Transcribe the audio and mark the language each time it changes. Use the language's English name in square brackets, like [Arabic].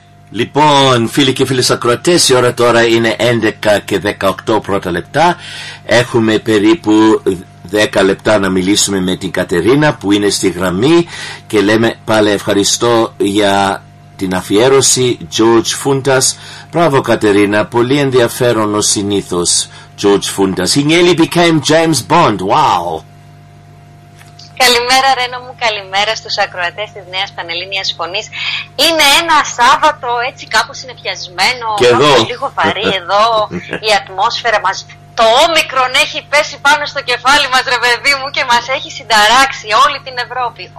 [Greek] Λοιπόν, φίλοι και φίλες ακροατές, η ώρα τώρα είναι 11 και 18 πρώτα λεπτά. Έχουμε περίπου 10 λεπτά να μιλήσουμε με την Κατερίνα που είναι στη γραμμή και λέμε πάλι ευχαριστώ για την αφιέρωση George Funtas. Μπράβο Κατερίνα, πολύ ενδιαφέρον ο συνήθως George Funtas. [English] He nearly became James Bond, wow! [Greek] Καλημέρα Ρένο μου, καλημέρα στους ακροατές της Νέας Πανελλήνιας Φωνής. Είναι ένα Σάββατο έτσι κάπως συνεπιασμένο, κάπως λίγο βαρύ εδώ η ατμόσφαιρα μας. Το όμικρον έχει πέσει πάνω στο κεφάλι μας ρε παιδί μου και μας έχει συνταράξει όλη την Ευρώπη.